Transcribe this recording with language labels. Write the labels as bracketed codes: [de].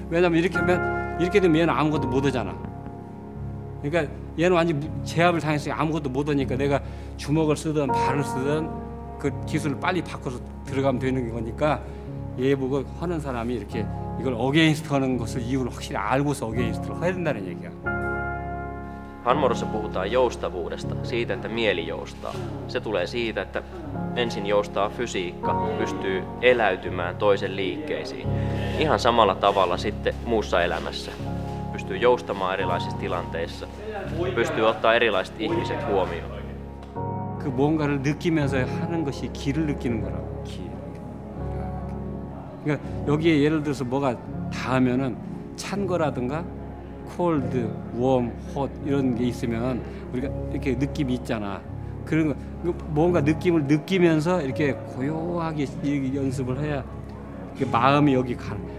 [ko] 왜냐면 이렇게 하면 이렇게 되면 얘는 아무것도 못 하잖아. 그러니까 얘는 완전히 제압을 당했어요. 아무것도 못 하니까 내가 주먹을 쓰든 발을 쓰든 그 기술을 빨리 바꿔서 들어가면 되는 거니까 얘보고 하는 사람이 이렇게 이걸 어게인스트 하는 것을 이유를 확실히 알고서 어게인스트를 해야 된다는 얘기야. [fi] 한모로서 puhutaan joustavuudesta, siitä, että mieli joustaa. Se tulee siitä, että ensin joustaa fysiikka, pystyy eläytymään toisen liikkeisiin. Ihan samalla tavalla sitten muussa elämässä. Pystyy joustamaan erilaisissa tilanteissa, pystyy ottaa erilaiset ihmiset huomioon. [ko] 그 뭔가를 느끼면서 하는 것이 길을 느끼는 거라고. 길. 그러니까 여기에 예를 들어서 뭐가 닿으면은 찬 거라든가 [en] cold, warm, hot [ko] 이런 게 있으면 우리가 이렇게 느낌이 있잖아. 그런 거 뭔가 느낌을 느끼면서 이렇게 고요하게 연습을 해야 이렇게 마음이 여기 가.